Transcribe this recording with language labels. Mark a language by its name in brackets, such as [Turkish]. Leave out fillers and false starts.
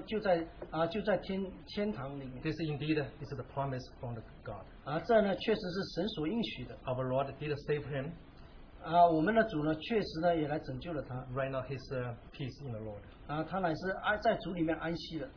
[Chinese] 他里面呢坚信呢，我们的李根弟兄呢就在天堂里面。 [English] This indeed is the promise from the God. [Chinese] 这呢确实是神所应许的。 [English] Our Lord did save him. [Chinese] 我们的主呢确实呢也来拯救了他。 [English] Right now he's peace in the Lord. [Chinese] 他乃是在主里面安息的。